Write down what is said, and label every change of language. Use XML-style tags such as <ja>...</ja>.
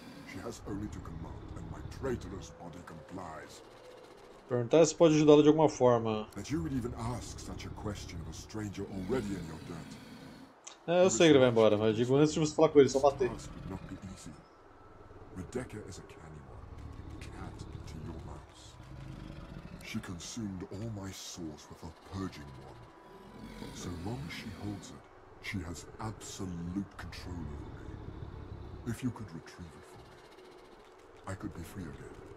<en>She has only to command, and my traitorous body complies.</en> <pt>Perguntar se pode ajudá-la de alguma forma.</pt> <en>That you would even ask such a question of a stranger already in your dirt.</en> <pt>Eu sei que ele vai embora, mas digo antes de você falar com ele, só bater.</pt> <en>Task would not be easy. Rebecca is a canny one, cat to your mouse. She consumed all my source with her purging wand. So long as she holds it, she has absolute control over me. If you could retrieve it for me, I could be free again.</en>